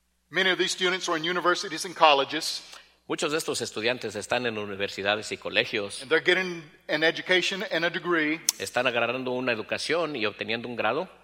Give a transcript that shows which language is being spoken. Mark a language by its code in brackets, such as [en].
[en] Many of these students are in universities and colleges. [es] Muchos de estos estudiantes están en universidades y colegios. [en] And they're getting an education and a degree. [es] Están agarrando una educación y obteniendo un grado.